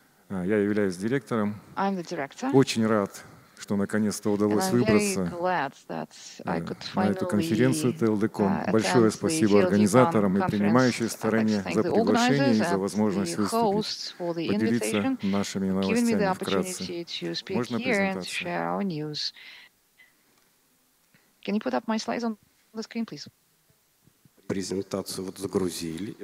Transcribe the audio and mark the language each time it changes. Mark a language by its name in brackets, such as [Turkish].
[Russian] Я являюсь директором. Очень рад, что наконец-то удалось выбраться на эту конференцию TLDCon. Большое спасибо организаторам и принимающей стороне за приглашение и за возможность выступить, поделиться нашими новостями вкратце. Можно презентацию? [English] Can you put up my slides on the screen, please? [Russian] презентацию вот загрузили.